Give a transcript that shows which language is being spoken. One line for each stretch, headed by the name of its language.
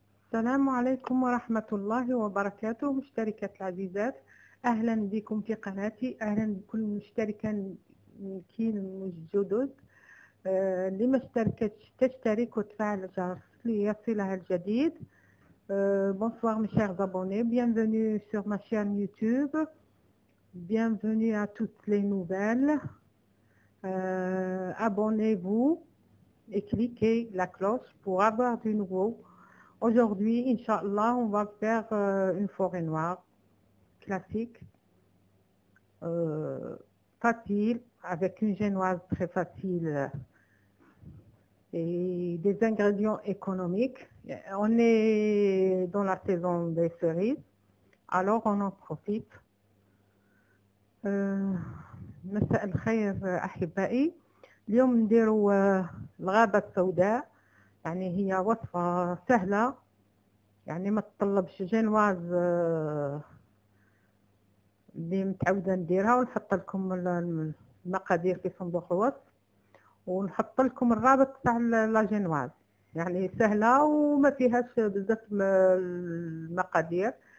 Arabic: السلام عليكم ورحمة الله وبركاته مشتركات العزيزات، أهلا بكم في قناتي، أهلا بكل مشتركة كين مش جدد. اللي ما اشتركتش تشترك وتفعل الجرس ليصلها الجديد.
French: Bonsoir mes chers abonnés, bienvenue sur ma chaîne YouTube, bienvenue à toutes les nouvelles. Abonnez-vous et cliquez la cloche pour avoir du nouveau. Aujourd'hui, Inch'Allah, on va faire une forêt noire classique, facile, avec une génoise très facile et des ingrédients économiques. On est dans la saison des cerises, alors on en profite.
Arabic: مساء الخير أحبائي. اليوم نديرو الغابة السوداء، يعني هي وصفة سهلة، يعني ما تطلبش جينواز اللي متعودة نديرها، ونحط لكم المقادير في صندوق الوصف، ونحط لكم الرابط تاع لا جينواز، يعني سهلة وما فيهاش بزاف المقادير.